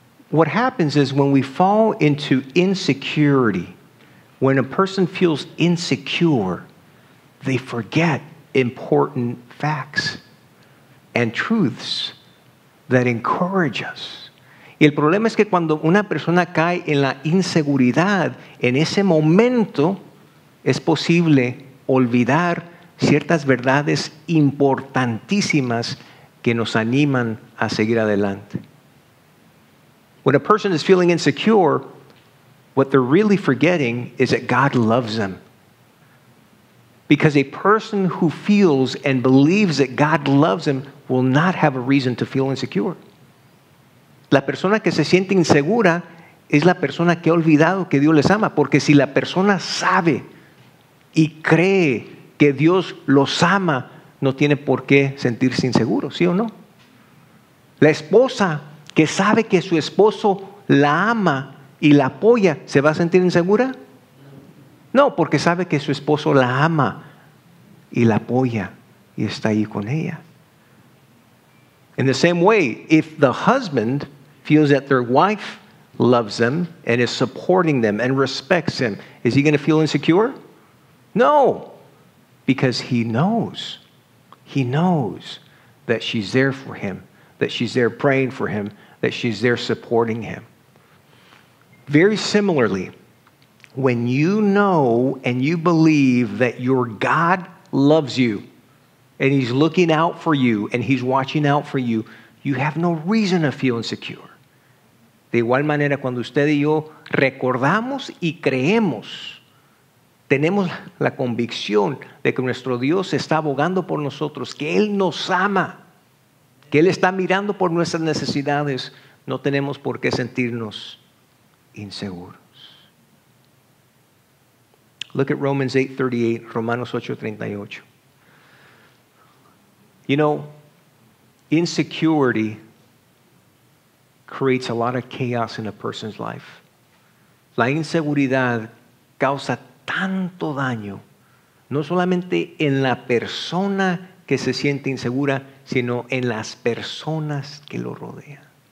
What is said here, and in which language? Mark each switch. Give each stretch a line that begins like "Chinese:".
English: What happens is when we fall into insecurity, when a person feels insecure, they forget important facts and truths that encourage us.
Spanish: Y el problema es que cuando una persona cae en la inseguridad, en ese momento es posible olvidar ciertas verdades importantísimas que nos animan a seguir adelante.
English: When a person is feeling insecure, what they're really forgetting is that God loves them. Because a person who feels and believes that God loves them will not have a reason to feel insecure.
Spanish: La persona que se siente insegura es la persona que ha olvidado que Dios les ama. Porque si la persona sabe y cree que Dios los ama, no tiene por qué sentirse inseguro, ¿sí o no? La esposa que sabe que su esposo la ama y la apoya, ¿se va a sentir insegura? No, porque sabe que su esposo la ama y la apoya y está ahí con ella.
English: In the same way, if the husband feels that their wife loves them and is supporting them and respects them, is he going to feel insecure? No, because he knows that she's there for him, that she's there praying for him, that she's there supporting him. Very similarly, when you know and you believe that your God loves you and he's looking out for you and he's watching out for you, you have no reason to feel insecure.
Spanish: De igual manera, cuando usted y yo recordamos y creemos, tenemos la convicción de que nuestro Dios está abogando por nosotros, que Él nos ama, que Él está mirando por nuestras necesidades, no tenemos por qué sentirnos inseguros.
English: Look at Romans 8:38, Romanos 8:38. You know, insecurity creates a lot of chaos in a person's life.
Spanish: La inseguridad causa tanto daño, no solamente en la persona que se siente insegura, sino en las personas que lo rodean.